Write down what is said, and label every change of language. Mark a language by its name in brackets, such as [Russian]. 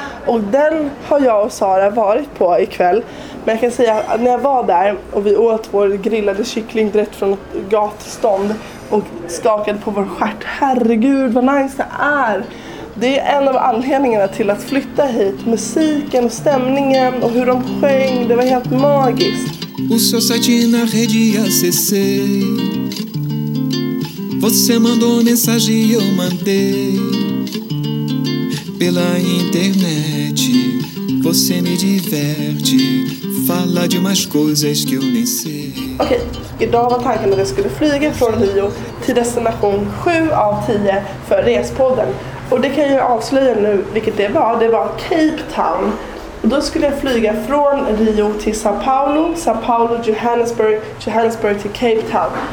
[Swedish] Och den har jag och Sara varit på ikväll. Men jag kan säga att när jag var där och vi åt vår grillade kyckling direkt från ett gatstånd och skakade på vår stjärt. Herregud vad nice det är! Det är en av anledningarna till att flytta hit. Musiken och stämningen och hur de sjöng, det var helt magiskt. [Portuguese] O seu site na rede acessei. Você mandou mensagem e eu mandei. Pela internet você me diverte. Fala de umas coisas que eu nem sei. [Swedish] Okej, idag var tanken att jag skulle flyga från Rio till destination 7 av 10 för Respodden. Och det kan jag ju avslöja nu vilket det var Cape Town. Och då skulle jag flyga från Rio till Sao Paulo, Sao Paulo, Johannesburg, Johannesburg till Cape Town.